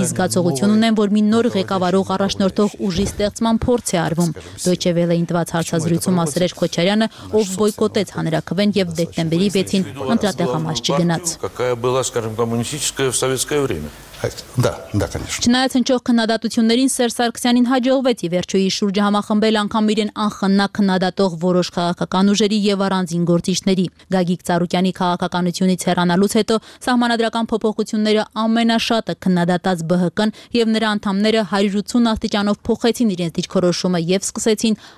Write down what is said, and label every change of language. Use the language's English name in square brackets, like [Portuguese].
[Armenian] այնպիսի զգացողություն ունեմ, որ մի նոր ղեկավարող առաջնորդող ուժի ստեղծման փորձ է արվում։ Deutsche Welle-ին տված հարցազրույցում ասել էր Քոչարյանը, ով բոյկոտեց հանրաքվեն եւ դեկտեմբերի 6-ին ընտրատեղամաս չգնաց։ [Russian] Какая была, скажем, коммунистическая в советское время? Да, да, конечно. [Armenian] Չնայած ինչող քննադատություններին Սերժ Սարգսյանին հաջողվեց ի վերջո իր շուրջը համախմբել անգամ իրեն անխնակ քննադատող որոշ քաղաքական ուժերի եւ առանձին գործիչների։ Գագիկ Ծառուկյանի քաղաքականությունից հեռանալուց հետո սահմանադրական փոփոխությունները ամենաշատը քննադատած ԲՀԿ-ն եւ նրա անդամները 180 աստիճանով փոխեցին իրենց դիրքորոշումը եւ սկսեցին